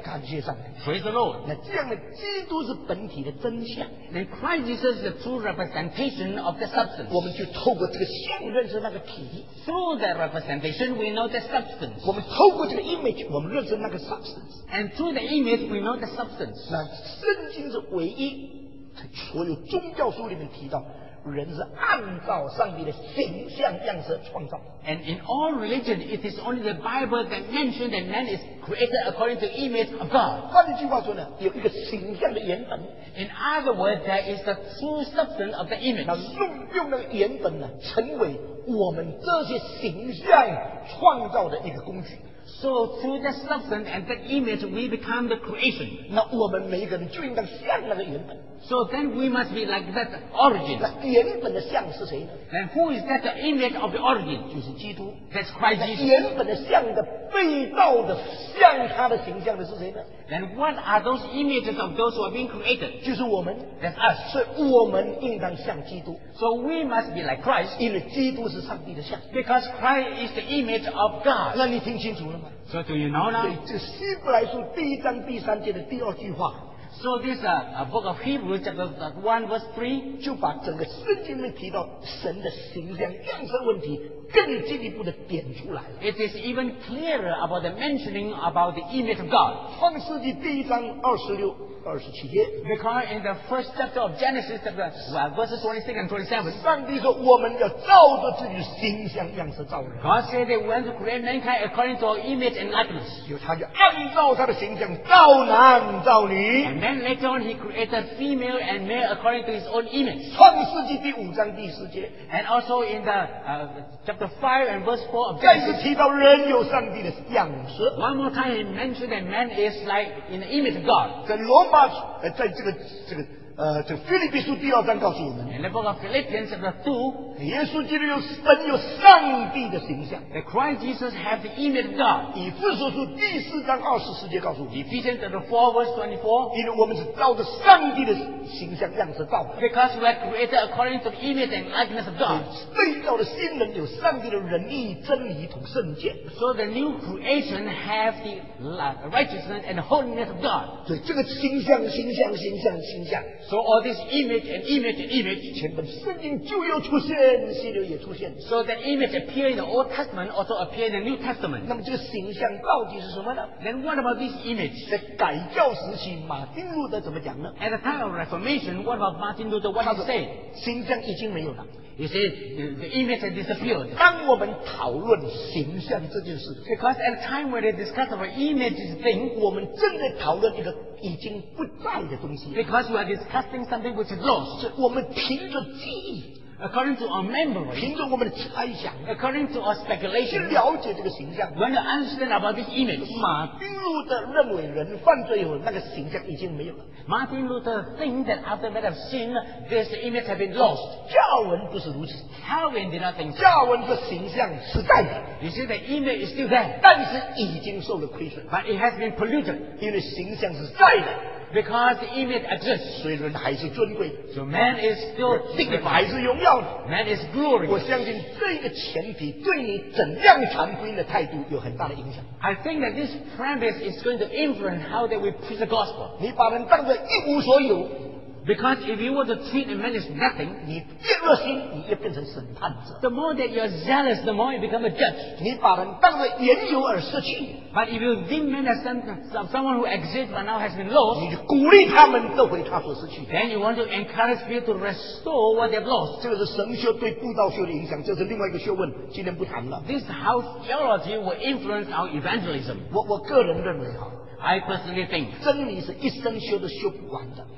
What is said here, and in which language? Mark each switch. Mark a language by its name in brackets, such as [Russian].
[Chinese] 感谢上帝。 [English] Praise the Lord. [Chinese] 那这样的基督是本体的真相。 [English] Then Christ Jesus is the true representation of the substance. [Chinese] 我们就透过这个像认识那个体。 [English] Through that representation, we know the substance. [Chinese] 我们透过这个 image, 我们认识那个 substance. [English] And through the image, we know the substance. [Chinese] 那圣经是唯一。所有宗教书里面提到，人是按照上帝的形象样式创造。 [English] And in all religion, it is only the Bible that mentions that man is created according to image of God. [Chinese] 换句话说呢，有一个形象的原本。 [English] In other words, there is the true substance of the image. [Chinese] 那用那个原本呢，成为我们这些形象创造的一个工具。 [English] So through the substance and the image, we become the creation. [Chinese] 那我们每一个人就应当像那个原本。 [English] So then we must be like that origin. [Chinese] 那原本的像是谁呢 [English] ？Then who is that the image of the origin? [Chinese] 就是基督。 [English] That's Christ Jesus. [Chinese] 原本的像的被造的像他的形象的是谁呢 [English] ？Then what are those images of those who are being created? [Chinese] 就是我们。 [English] That's us. [Chinese] 所以我们应当像基督。 [English] So we must be like Christ. [Chinese] 因为基督是上帝的像。 [English] Because Christ is the image of God. [Chinese] 那你听清楚了吗 [English] ？So do you know now? [Chinese] 这希伯来书第一章第三节的第二句话。 [English] So this book of Hebrews chapter 1 verse 3 [Chinese] 就把整个圣经里提到神的形象样式问题更进一步的点出来了。 [English] It is even clearer about the mentioning about the image of God. [Chinese] 创世纪第一章26-27节 [English] Because in the first chapter of Genesis chapter, well, verses 26 and 27 [Chinese] 上帝说我们要照着自己形象样式造人。 [English] God said they want to create mankind according to our image and likeness. [Chinese] 就他就按照他的形象造男造女。 [English] And then later on he created female and male according to his own image. [Chinese] 创世纪第五章第十节 [English] And also in the chapter 5 and verse 4 of Genesis [Chinese] 再次提到人有上帝的样式。 [English] One more time he mentioned that man is like in the image of God. [Chinese] 在这个腓立比书第二章告诉我们 [English] In the book of Philippians chapter 2 [Chinese] 耶稣基督本有上帝的形象 [English] That Christ Jesus has the image of God [Chinese] 以弗所书第四章二十四节告诉我们 [English] Ephesians chapter 4 verse 24 [Chinese] 因为我们是照着上帝的形象样式造的 [English] Because we are created according to the image and likeness of God [Chinese] 被造的新人有上帝的仁义真理同圣洁 [English] So the new creation has the righteousness and holiness of God [Chinese] 对这个形象 [English] So all this image and image and image [Chinese] 前面圣经就又出现新约也出现 [English] So the image appear in the Old Testament also appear in the New Testament [Chinese] 那么这个形象到底是什么呢 [English] Then what about this image [Chinese] 在改教时期马丁路德怎么讲呢 [English] At the time of Reformation what about Martin Luther what he say [Chinese] 形象已经没有了 [English] You see, the image has disappeared. [Chinese] 当我们讨论形象这件事 [English] Because at a time when they discuss about image thing, [Chinese] 我们正在讨论一个已经不在的东西 [English] Because we are discussing something which is lost. [Chinese] 我们凭着记忆 [English] According to our memory. [Chinese] 凭着我们的猜想 [English] According to our speculation. [Chinese] 去了解这个形象 [English] When you understand about this image. [Chinese] 马丁路德认为人犯罪以后那个形象已经没有了 [English] Martin Luther thinks that after men have sinned, this image has been lost. [Chinese] 加尔文不是如此。 [English] Calvin did not think so. [Chinese] 加尔文的形象是在的。 [English] You see, the image is still there. [Chinese] 但是已经受了亏损。 [English] But it has been polluted. [Chinese] 因为形象是在的。 [English] Because the image exists. [Chinese] 所以人还是尊贵。 [English] So man is still dignified. [Chinese] 还是荣耀的。 [English] Man is glorious. [Chinese] 我相信这个前提对你怎样传福音的态度有很大的影响。 [English] I think that this premise is going to influence how that we preach the gospel. [Chinese] 你把人当作一无所有。 [English] Because if you were to treat a man as nothing, [Chinese] 你越热心，你越变成审判者。 [English] The more that you're zealous, the more you become a judge. [Chinese] 你把人当为缘由而失去。 [English] But if you deem men as someone who exists but now has been lost, [Chinese] 你就鼓励他们得回他所失去。 [English] Then you want to encourage people to restore what they've lost. [Chinese] 这个是神学对布道学的影响，这是另外一个学问，今天不谈了。 [English] This how theology will influence our evangelism. [Chinese] 我个人认为哈。 [English] I personally think [Chinese] 真理是一生修都修不完的。